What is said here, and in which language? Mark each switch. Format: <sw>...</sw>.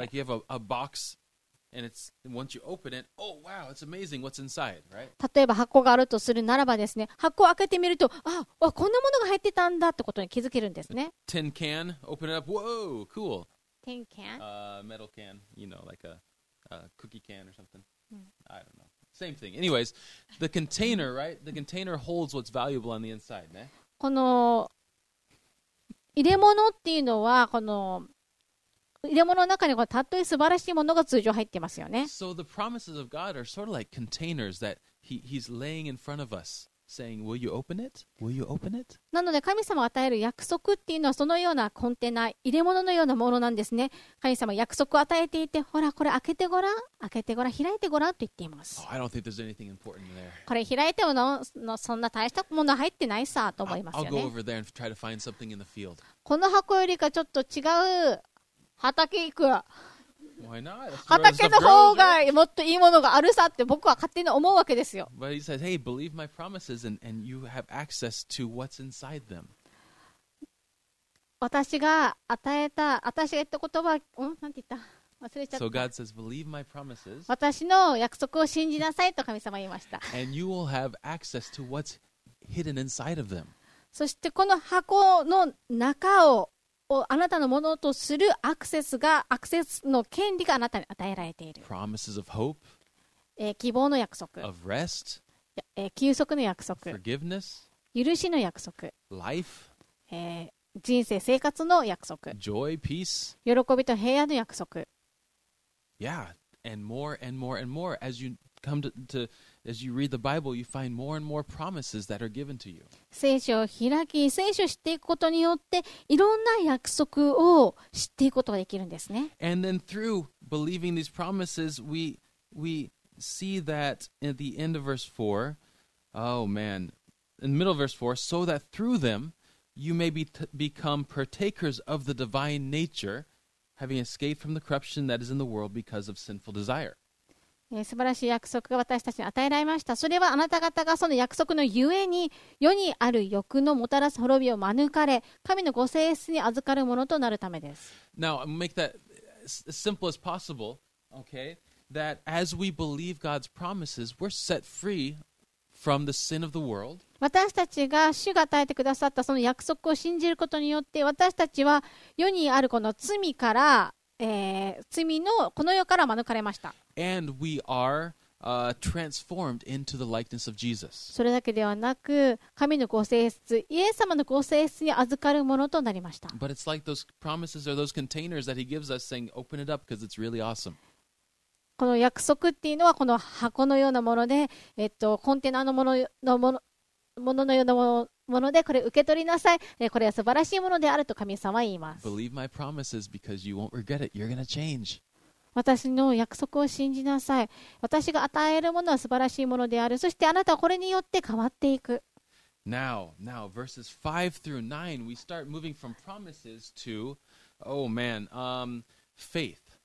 <en>Like you have a box. And it's, once you open it, oh wow, it's amazing what's inside, right?</en> <ja>例えば箱があるとするならばですね、箱を開けてみると、あ、わ、こんなものが入ってたんだってことに気づけるんですね。</ja> <en>A tin can, open it up, whoa, cool. Tin can? Metal can, you know, like a cookie can or something.、I don't know. Same thing. Anyways, the container, right? The container holds what's valuable on the inside, ね。</en> <ja>この入れ物っていうのは、この入れ物の中にこのたっとえ素晴らしいものが通常入ってますよね。</ja> <en>So the promises of God are sort of like containers that he's laying in front of us, saying, "Will you open it? Will you open it?"</en> <ja>なので神様与える約束っていうのはそのようなコンテナ、入れ物のようなものなんですね。神様約束を与えていて、ほらこれ開けてごらん、開けてごらん、開いてごらんと言っています。</ja> <en>Oh, I don't think there's anything important there.</en> <ja>これ開いてものそんな大したもの入ってないさと思いますよね。</ja> <en>I'll go over there and try to find something in the field.</en> <ja>この箱よりかちょっと違う。畑行く。</ja> <en>Why not?</en> <ja>畑の方がもっといいものがあるさって僕は勝手に思うわけですよ。</ja> <en>But he says, hey, believe my promises and you have access to what's inside them.</en> <ja>私が与えた、私が言った言葉、なんて言った? 忘れちゃった。</ja> <en>So God says, believe my promises.</en> <ja>私の約束を信じなさいと神様言いました。</ja> <en>And you will have access to what's hidden inside of them.</en> <ja>そしてこの箱の中をあなたのものとするアクセスが、アクセスの権利があなたに与えられている。</ja> <en>Promises of hope,</en> <ja>希望の約束。</ja> <en>Of rest,</en> <ja>休息の約束。</ja> <en>Forgiveness,</en> <ja>許しの約束。</ja> <en>Life,</en> <ja>人生、生活の約束。</ja> <en>Joy, peace,</en> <ja>喜びと平和の約束。</ja> <en>Yeah, and more and more and more as you come to As you read the Bible, you find more and more promises that are given to you.</en> <ja>聖書を開き、聖書を知っていくことによって、いろんな約束を知っていくことができるんですね。</ja> <en>And then through believing these promises, we see that at the end of verse 4, oh man, in the middle of verse 4, so that through them you may become partakers of the divine nature, having escaped from the corruption that is in the world because of sinful desire.</en> <ja>素晴らしい約束が私たちに与えられました。それはあなた方がその約束のゆえに世にある欲のもたらす滅びを免れ神のご性質に預かるものとなるためです。</ja> <en>Now make that as simple as possible, okay? That as we believe God's promises, we're set free from the sin of the world.</en> <ja>私たちが主が与えてくださったその約束を信じることによって私たちは世にあるこの罪から罪のこの世から免れました。</ja> <en>And we are, transformed into the likeness of Jesus.</en> <ja>それだけではなく、神のご性質、イエス様のご性質に預かるものとなりました。</ja> <en>But it's like those promises or those containers that he gives us saying, open it up because it's really awesome.</en> <ja>この約束っていうのはこの箱のようなもので、コンテナのもののもののようなものでこれ受け取りなさい。これは素晴らしいものであると神様は言います。</ja> <en>Believe my promises because you won't regret it. You're going to change.</en> <ja>私の約束を信じなさい。私が与えるものは素晴らしいものである。そしてあなたはこれによって変わっていく。</ja> <en>Now, verses 5 through 9, we start moving from promises to, oh man, faith.</en>